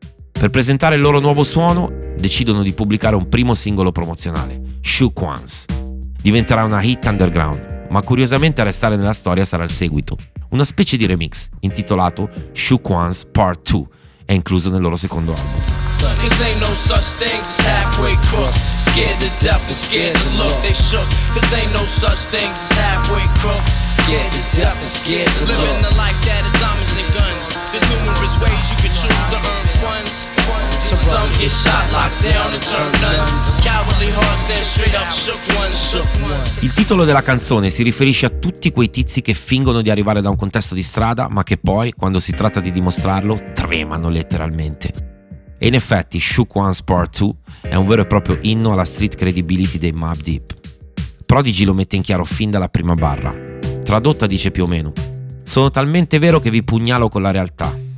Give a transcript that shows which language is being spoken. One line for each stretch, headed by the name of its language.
Italian: Per presentare il loro nuovo suono, decidono di pubblicare un primo singolo promozionale, Shook Ones. Diventerà una hit underground, ma curiosamente a restare nella storia sarà il seguito. Una specie di remix, intitolato Shook Ones Part 2, è incluso nel loro secondo album.
English: Cause ain't no such thing as halfway crooks. Scared to death and scared to look. They shook. Cause ain't no such thing as halfway crooks. Scared to death and scared to look. Living the life that of diamonds and guns. There's numerous ways you can choose to earn funds. Some get shot, locked down and turn nuns. Cowardly hearts and straight up shook ones. Shook ones.
Italian: Il titolo della canzone si riferisce a tutti quei tizi che fingono di arrivare da un contesto di strada, ma che poi, quando si tratta di dimostrarlo, tremano letteralmente. E in effetti Shook Ones Part 2 è un vero e proprio inno alla street credibility dei Mobb Deep. Prodigy lo mette in chiaro fin dalla prima barra. Tradotta dice più o meno: sono talmente vero che vi pugnalo con la realtà.